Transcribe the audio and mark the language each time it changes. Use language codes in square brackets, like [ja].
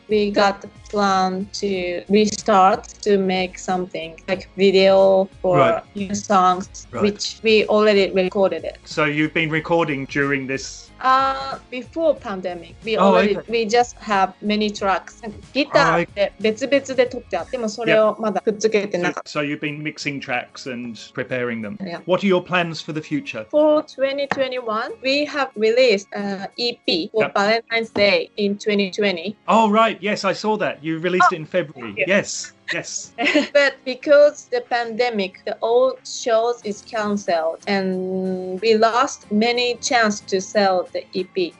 [en] We got the plan to restart to make something like video for new songs, which we already recorded it. So you've been recording during this? Before pandemic. We already, we just have many tracks. [ja] Guitar で別々で撮ってあって、でもそれをまだくっつけてなかった。 [en] So you've been mixing tracks and preparing them. Yeah. What are your plans for the future? For 2021, We have released an EP for Valentine's Day in 2020. Oh, right. Yes, I saw that. You released it in February. Yes. Yes. But because the pandemic, the old shows is cancelled and we lost many chance to sell the EP.